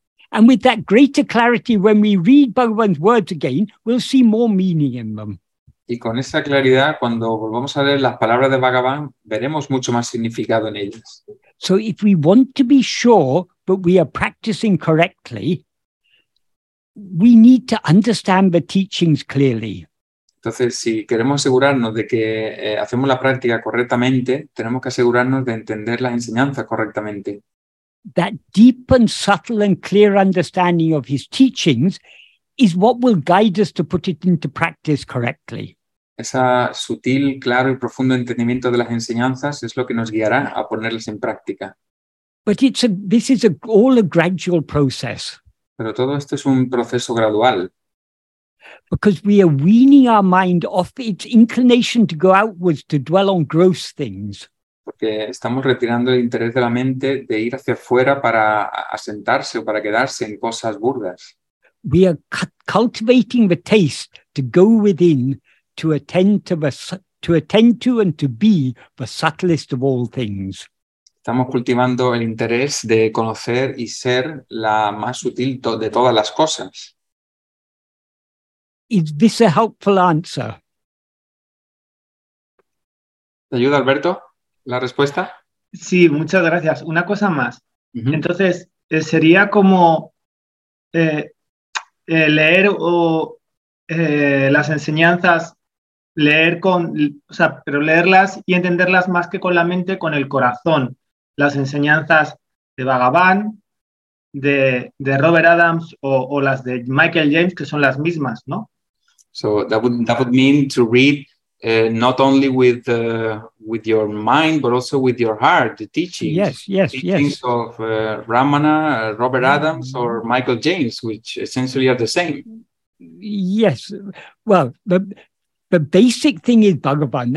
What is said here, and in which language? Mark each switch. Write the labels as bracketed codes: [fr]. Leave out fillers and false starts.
[en] And with that greater clarity, when we read Bhagavan's words again, we'll see more meaning in them. [es] Y con esa claridad, cuando volvamos a leer las palabras de Bhagavan, veremos mucho más significado en ellas. [en] So if we want to be sure that we are practicing correctly, we need to understand the teachings clearly. [es] Entonces, si queremos asegurarnos de que hacemos la práctica correctamente, tenemos que asegurarnos de entender las enseñanzas correctamente. [en] That deep and subtle and clear understanding of his teachings is what will guide us to put it into practice correctly. [es] Esa sutil, claro y profundo entendimiento de las enseñanzas es lo que nos guiará a ponerlas en práctica. [en] But this is all a gradual process. [es] Pero todo esto es un proceso gradual. [en] Because we are weaning our mind off its inclination to go outwards to dwell on gross things. [es] Porque estamos retirando el interés de la mente de ir hacia afuera para asentarse o para quedarse en cosas burdas. [en] We are cultivating the taste to go within, to attend to and to be the subtlest of all things. [es] Estamos cultivando el interés de conocer y ser la más sutil de todas las cosas. [en] Is this a helpful answer? [es] ¿Te ayuda, Alberto? ¿La respuesta? Sí, muchas gracias. Una cosa más. Uh-huh. Entonces, sería como leer o las enseñanzas, leer con, o sea, pero leerlas y entenderlas más que con la mente, con el corazón. Las enseñanzas de Bhagavan, de Robert Adams o las de Michael James, que son las mismas, ¿no? [en] So that would mean to read not only with your mind, but also with your heart, the teachings. Yes, yes, teachings, yes. Of Ramana, Robert Adams, or Michael James, which essentially are the same. Yes. Well, the basic thing is Bhagavan.